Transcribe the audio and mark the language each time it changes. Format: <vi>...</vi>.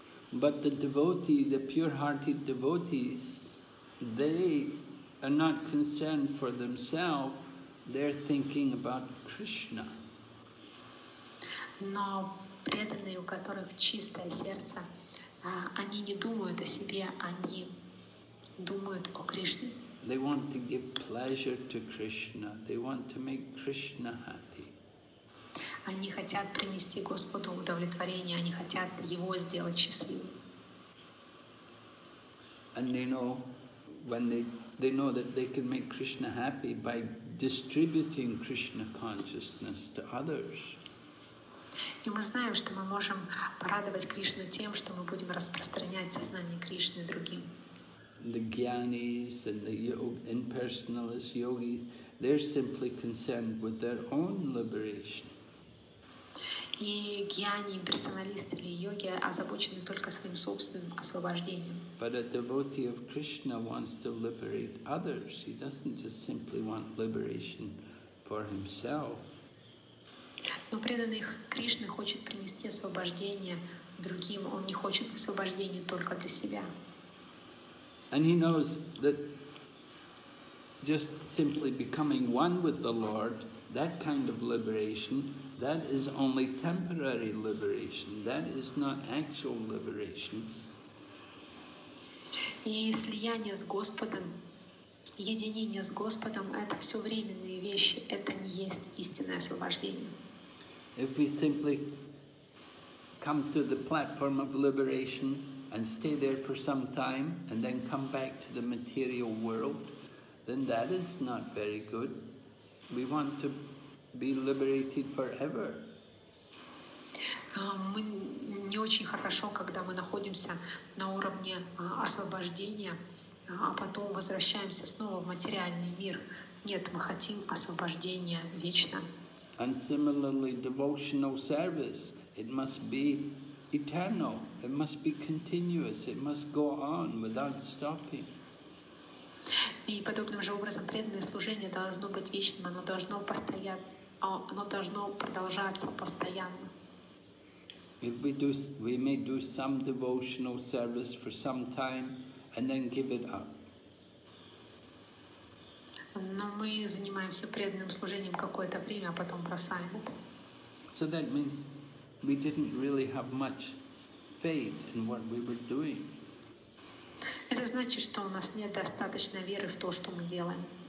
<en>But the devotee, the pure-hearted devotees, they are not concerned for themselves. They're thinking about Krishna.</en> <ru>Но преданные, у которых чистое сердце, они не думают о себе, они думают о Кришне.</ru> <en>They want to give pleasure to Krishna. They want to make Krishna happy.</en> <ru>Они хотят принести Господу удовлетворение, они хотят Его сделать счастливым.</ru> <en>And they know when they know that they can make Krishna happy by distributing Krishna consciousness to others.</en> <ru>И мы знаем, что мы можем порадовать Кришну тем, что мы будем распространять сознание Кришны другим.</ru> <en>The gyanis and the impersonalist yogis, they're simply concerned with their own liberation.</en> <ru>И гьяни, имперсоналисты или йоги озабочены только своим собственным освобождением.</ru> <en>But a devotee of Krishna wants to liberate others. He doesn't just simply want liberation for himself.</en> <ru>Но преданный Кришны хочет принести освобождение другим. Он не хочет освобождения только для себя.</ru> <en>And he knows that just simply becoming one with the Lord, that kind of liberation, that is only temporary liberation. That is not actual liberation.</en> <ru>И слияние с Господом, единение с Господом — это все временные вещи. Это не есть истинное освобождение.</ru> <en>If we simply come to the platform of liberation and stay there for some time and then come back to the material world, then that is not very good. We want to be liberated forever.</en> <ru>Мы не очень хорошо, когда мы находимся на уровне освобождения, а потом возвращаемся снова в материальный мир. Нет, мы хотим освобождения вечно.</ru> <en>And similarly, devotional service, it must be eternal, it must be continuous, it must go on without stopping.</en> <ru>И подобным же образом преданное служение должно быть вечным, оно должно продолжаться постоянно.</ru> <en>If we do, we may do some devotional service for some time and then give it up.</en> <ru>Но мы занимаемся преданным служением какое-то время, а потом бросаем это.</ru> <en>So that means we didn't really have much faith in what we were doing.</en> <ru>Это значит, что у нас нет достаточной веры в то, что мы делаем.</ru>